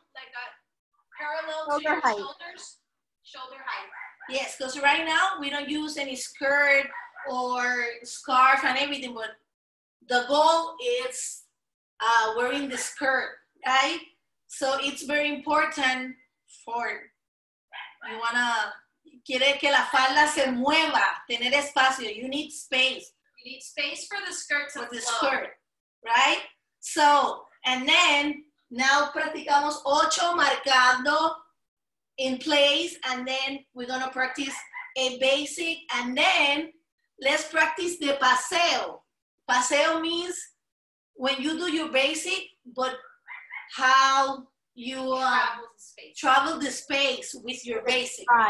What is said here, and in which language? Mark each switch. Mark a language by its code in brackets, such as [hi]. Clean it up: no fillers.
[en] Like a parallel shoulder to your height. Shoulders. Shoulder height. Yes, because right now we don't use any skirt or scarf and everything, but the goal is wearing the skirt, right? So it's very important for you wanna [es] quiere que la falda se mueva, tener espacio. [en] You need space. You need space for the skirt to flow. For the skirt, right? So, and then, now practicamos ocho marcando in place, and then we're gonna practice a basic, and then let's practice the paseo. Paseo means when you do your basic, but how you travel the space with your basic.